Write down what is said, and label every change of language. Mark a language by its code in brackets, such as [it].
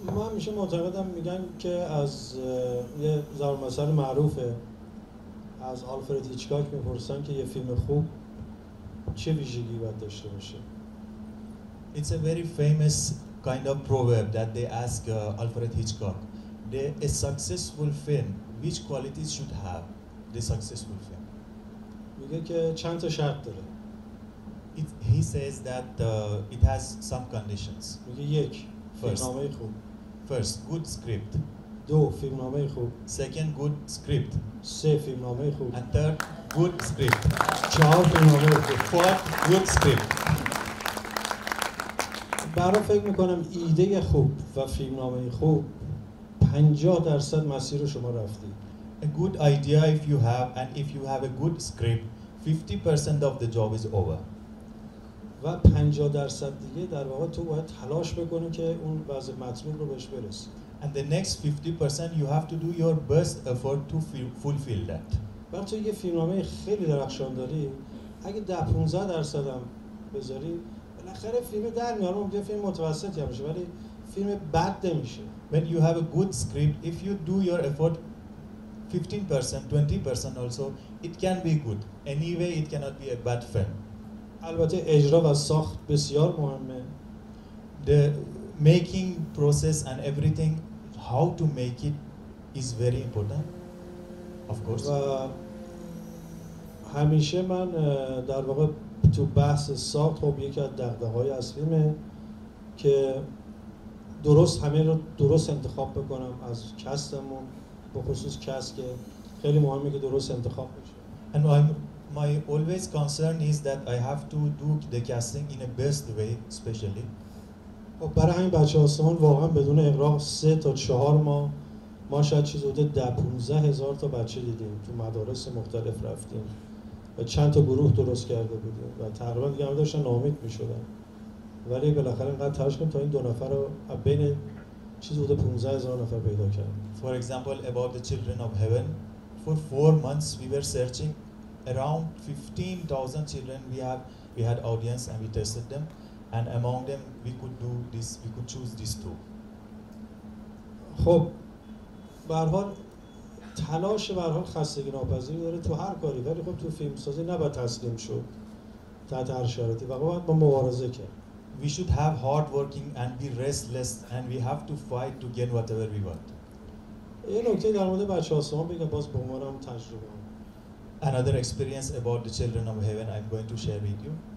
[fa] همیشه معتقدم، میگن که از یه ضرب المثل معروفه، از آلفرد هیچکاک میپرسن که یه فیلم خوب چه ویژگی باید داشته باشه. [en] It's a very famous kind of proverb that they ask Alfred Hitchcock. A successful film, which qualities should have the successful film? [fa] میگه که چند تا شرط داره. [en] He says that it has some conditions. [fa] میگه یک، فیلمنامه خوب. [en] First, good script. [fa] دو، دو فیلمنامه خوب. [en] Second good script. [fa] سه فیلمنامه خوب. [en] And third good script. [fa] چهار فیلمنامه خوب. [en] Fourth good script. [fa] برای فکر میکنم ایده خوب و فیلمنامه خوب 50% مسیر رو شما رفتی. [en] A good idea if you have and if you have a good script, 50% of the job is over. [fa] و 50% دیگه در واقع تو باید تلاش بکنی که اون وضع مطلوب رو بهش برسی. [en] And the next 50% you have to do your best effort to fulfill that. [fa] وقتی یه فیلمنامه خیلی درخشان داری، اگه 10-15% هم بذاری، بالاخره فیلم در میاره، اون فیلم متوسطی هم میشه، ولی فیلم بد نمیشه. [en] When you have a good script, if you do your effort 15%, 20% also, it can be good. Anyway, it cannot be a bad film. [fa] البته اجرا و ساخت بسیار مهمه. [en] The making process and everything, how to make it is very important, of course. [fa] و همیشه من در واقع تو بحث ساخت خب یکی از دغدغه‌های اصلیمه که درست همه رو درست انتخاب بکنم از کستمون به خصوص کست که خیلی مهمه که درست انتخاب بشه. [en] And my always concern is that I have to do the casting in a best way, especially. [fa] برای همین بچه آسمان واقعا بدون اغراق 3 تا 4 ماه ما شاید چیز بوده 10-15 هزار تا بچه دیدیم تو مدارس مختلف رفتیم و چند تا گروه درست کرده بودیم و تقریبا دیگه همه داشتن ناامید میشدن ولی بالاخره اینقدر تلاش کنیم تا این 2 نفر رو بین چیز بوده 15 هزار نفر پیدا کردیم. [en] For example, about the children of heaven, for 4 months we were searching around 15,000 children we had audience and we tested them and among them we could do this, we could choose these two. [fa] خب به هر حال تلاش به هر حال خستگی ناپذیری داره تو هر کاری ولی خب تو فیلم سازی نباید تسلیم شد تحت هر شرایطی و باید با مبارزه کرد. [en] We should have hard working and be restless and we have to fight to get whatever we want. [fa] یه نکته در مورد بچه آسمان بگم باز به عنوان هم تجربه. [en] Another experience about the children of heaven I'm going to share with you.